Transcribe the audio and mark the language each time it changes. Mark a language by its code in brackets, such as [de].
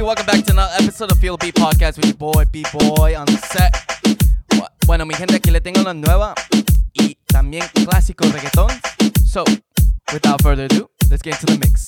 [en] Welcome back to another episode of Feel B Podcast with your boy, B-Boy, on the set. [es] Bueno, mi gente, aquí le tengo la nueva y también clásico reggaeton. [en] So, without further ado, let's get into the mix.